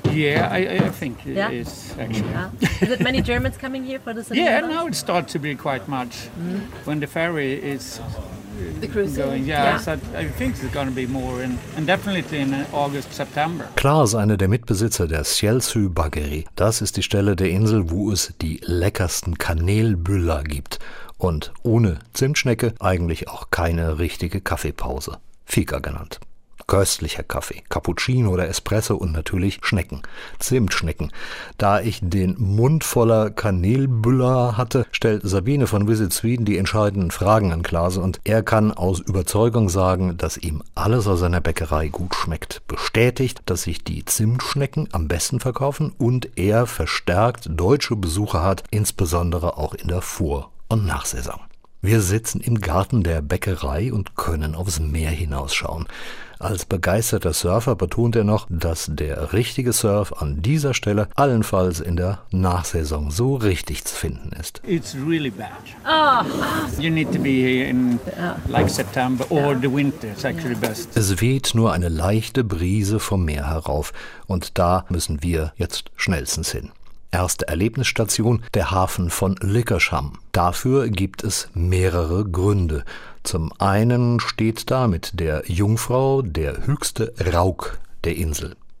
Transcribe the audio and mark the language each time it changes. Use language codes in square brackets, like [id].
[en] Yeah, I think it is actually. Yeah. Is it many Germans coming here for the cinnamon? Yeah, now it starts to be quite much. Mm. When the ferry is the cruise going, I think it's going to be more and definitely in August, September. [de] Klaas, einer der Mitbesitzer der Selsöbageri. Das ist die Stelle der Insel, wo es die leckersten Kanelbüller gibt. Und ohne Zimtschnecke eigentlich auch keine richtige Kaffeepause. Fika genannt. Köstlicher Kaffee, Cappuccino oder Espresso und natürlich Schnecken. Zimtschnecken. Da ich den Mund voller Kanelbüller hatte, stellt Sabine von Visit Sweden die entscheidenden Fragen an Klaas und er kann aus Überzeugung sagen, dass ihm alles aus seiner Bäckerei gut schmeckt. Bestätigt, dass sich die Zimtschnecken am besten verkaufen und er verstärkt deutsche Besucher hat, insbesondere auch in der Vor- und Nachsaison. Wir sitzen im Garten der Bäckerei und können aufs Meer hinausschauen. Als begeisterter Surfer betont er noch, dass der richtige Surf an dieser Stelle allenfalls in der Nachsaison so richtig zu finden ist. [en] It's really bad. You need to be here in like September or the winter. It's actually best. [de] Es weht nur eine leichte Brise vom Meer herauf und da müssen wir jetzt schnellstens hin. Erste Erlebnisstation, der Hafen von Lickersham. Dafür gibt es mehrere Gründe. Zum einen steht da mit der Jungfrau der höchste Rauk der Insel.